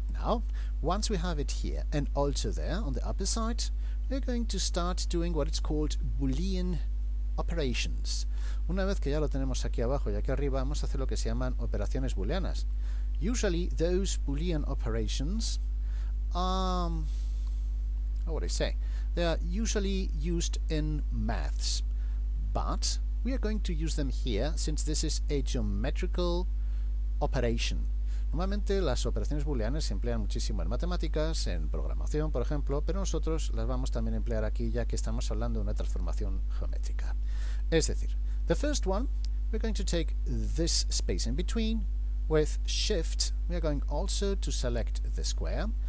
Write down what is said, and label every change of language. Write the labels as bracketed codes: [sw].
[en] Now, once we have it here and also there on the upper side, we're going to start doing what it's called boolean operations. [es] Una vez que ya lo tenemos aquí abajo y aquí arriba, vamos a hacer lo que se llaman operaciones booleanas. [en] Usually those boolean operations they are usually used in maths, but we are going to use them here since this is a geometrical operation. [es] Normalmente las operaciones booleanas se emplean muchísimo en matemáticas, en programación, por ejemplo, pero nosotros las vamos también a emplear aquí ya que estamos hablando de una transformación geométrica. Es decir, [en] the first one, we're going to take this space in between. With shift, we are going also to select the square.